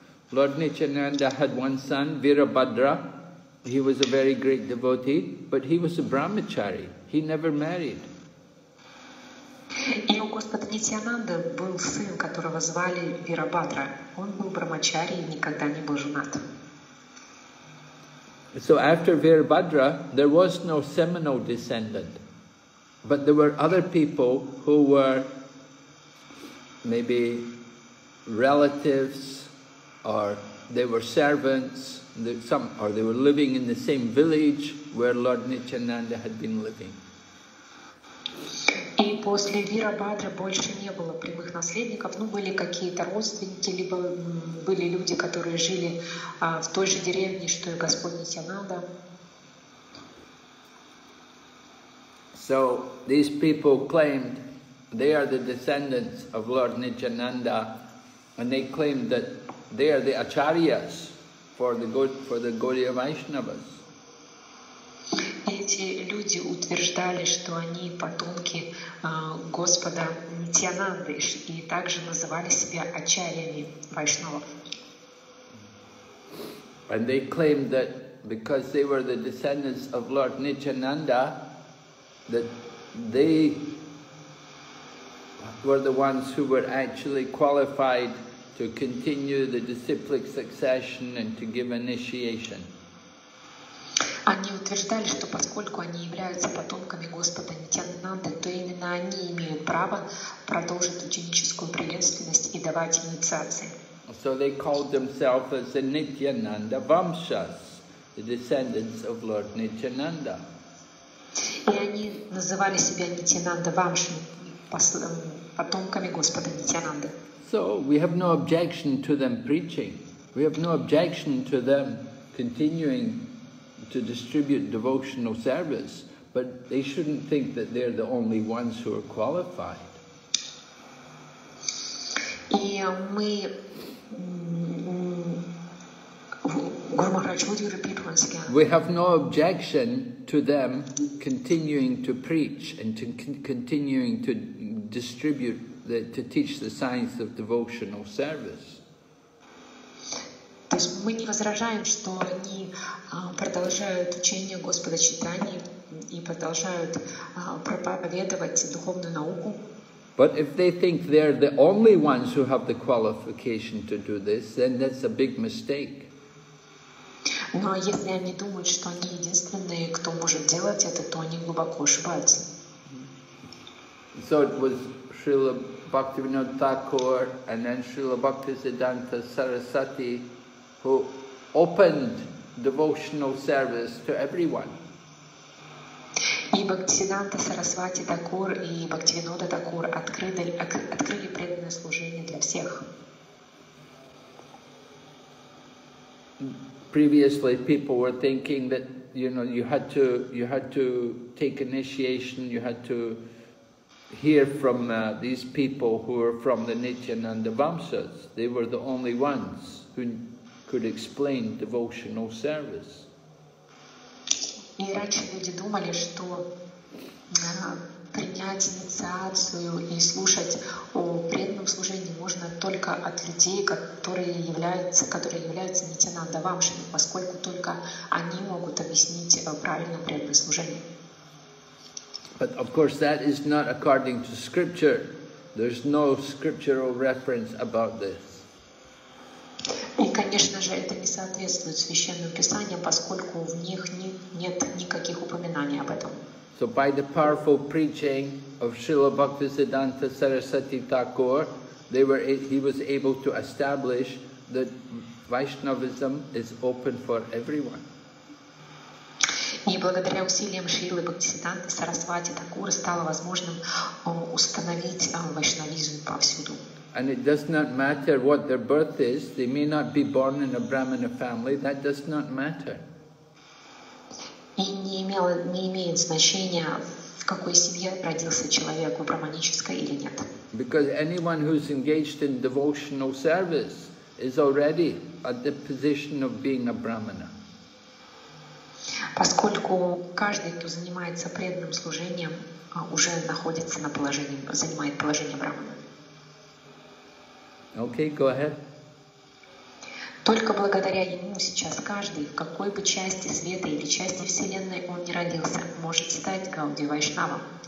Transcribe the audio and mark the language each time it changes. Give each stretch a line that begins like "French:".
English: Lord Nityananda had one son, Virabhadra. He was a very great devotee, but he was a brahmachari. He never married.
Russian: И у Господа Нитьянанды был сын, которого звали Вирабхадра. Он был брахмачари и никогда не был женат.
English: So after Virabhadra, there was no seminal descendant. But there were other people who were maybe relatives, or they were servants, some, or they were living in the same village where Lord Nityananda had been living.
Russian: И после Вирабхадры больше не было прямых наследников, ну, были какие-то родственники, либо были люди, которые жили в той же деревне, что и Господь Нитянанда.
English: So these people claimed they are the descendants of Lord Nityananda, and they claimed that they are the acharyas for the Gaudiya Vaishnavas.
Russian: Эти люди утверждали, что они потомки Господа Нитянанды и также называли себя ачарьями вайшнавов.
English: And they claimed that because they were the descendants of Lord Nityananda, that they were the ones who were actually qualified to continue the disciplic succession and to give initiation.
Russian: Они утверждали, что поскольку они являются потомками Господа Нитянанды, то именно они имеют право продолжить ученическую преемственность и давать инициации.
English: So they called themselves as the Nityananda Vamshas, the descendants of Lord Nityananda.
Russian: И они называли себя Нитянанда Вамшами, потомками Господа Нитянанды.
English: So we have no objection to them preaching. We have no objection to them continuing to distribute devotional service, but they shouldn't think that they're the only ones who are qualified.
Russian: И мы,
English: Гуру Махарадж, would you repeat once again? We have no objection to them continuing to preach and to continuing to distribute, to teach the science of devotional service.
Russian: То есть мы не возражаем, что они продолжают учение Господа Читания и продолжают проповедовать духовную науку.
English: But if they think they're the only ones who have the qualification to do this, then that's a big mistake.
Russian: Но если они думают, что они единственные, кто может делать это, то они глубоко ошибаются.
English: So it was Srila Bhaktivinoda Thakur and then Srila Bhaktisiddhanta Sarasvati who opened devotional service to everyone.
Russian: И Бхактисиддханта Сарасвати Такур и Бхактивинода Такур открыли преданное служение для всех.
English: Previously people were thinking that, you know, you had to take initiation, you had to hear from these people who were from the Nityananda Vamsas. They were the only ones who could explain devotional service.
Russian: И раньше люди думали, что принять инициацию и слушать о преданном служении можно только от людей, которые являются Нитянанда Вамшами, поскольку только они могут объяснить правильно преданное служение.
English: But of course that is not according to scripture. There's no scriptural reference about this.
Russian: И, конечно же, это не соответствует священным писаниям, поскольку в них нет никаких упоминаний об этом.
English: So by the powerful preaching of Srila Bhaktisiddhanta Sarasvati Thakur, he was able to establish that Vaishnavism is open for everyone.
Russian: И благодаря усилиям Шрилы Бхактисиддханты Сарасвати Такура стало возможным установить вайшнавизм повсюду.
English: And it does not matter what their birth is, they may not be born in a Brahmana family, that does not matter.
Russian: И не имеет значения, в какой семье родился человек, в брахманической или нет.
English: Because anyone who's engaged in devotional service is already at the position of being a Brahmana.
Russian: Поскольку каждый, кто занимается преданным служением, уже находится на положении, занимает положение брахмана.
English: Okay, go ahead.
Russian: Только благодаря ему сейчас каждый, в какой бы части света или части Вселенной он ни родился, может стать Гауди Вайшнавом.